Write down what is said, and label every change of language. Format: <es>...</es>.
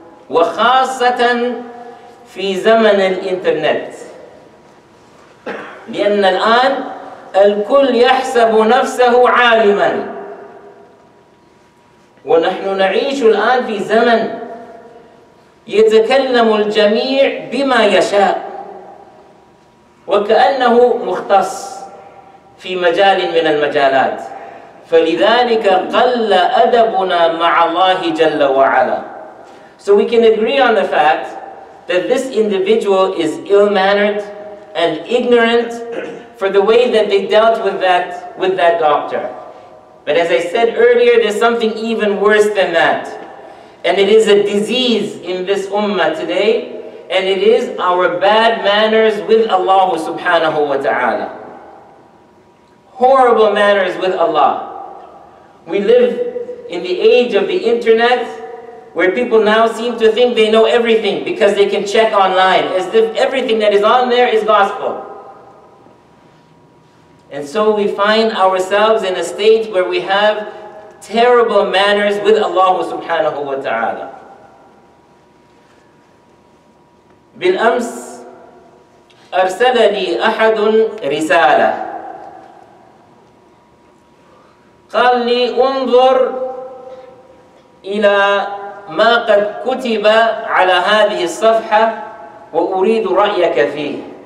<ar>وخاصة في زمن الإنترنت، لأن الآن الكل يحسب نفسه عالما، ونحن نعيش الآن في زمن يتكلم الجميع بما يشاء، وكأنه مختص في مجال من المجالات، فلذلك قل أدبنا مع الله جل وعلا.</ar> <en>So we can agree on the fact that this individual is ill-mannered and ignorant for the way that they dealt with that doctor. But as I said earlier, there's something even worse than that. And it is a disease in this ummah today, and it is our bad manners with Allah subhanahu wa ta'ala. Horrible manners with Allah. We live in the age of the internet, where people now seem to think they know everything because they can check online, as if everything that is on there is gospel. And so we find ourselves in a state where we have terrible manners with Allah subhanahu wa ta'ala.</en> <ar>بالأمس أرسلني أحد رسالة قال لي انظر إلى ما قد كتب على هذه الصفحة وأريد رأيك فيه.</ar>